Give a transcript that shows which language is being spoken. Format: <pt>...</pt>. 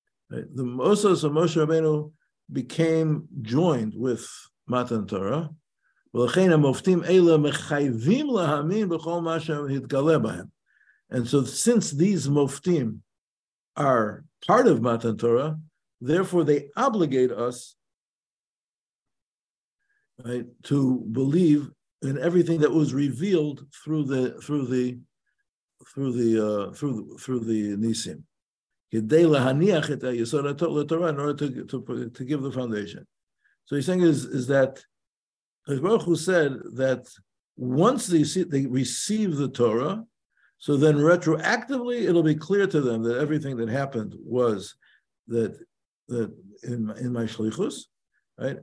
<en>The osos of Moshe Rabbeinu became joined with Matan Torah,</en> <he>ולכן המופתים אלה מחייבים להאמין בכל מה שהתגלה בהם.</he> <en>And so since these מופתים are part of Matan Torah, therefore they obligate us, right, to believe in everything that was revealed through the Nisim.</en> <he>כדי להניח את היסוד לתורה,</he> <en>in order to give the foundation. So he's saying is that Kodesh Baruch Hu said that once they receive the Torah, so then retroactively it'll be clear to them that everything that happened was that in my shlichus, right?</en>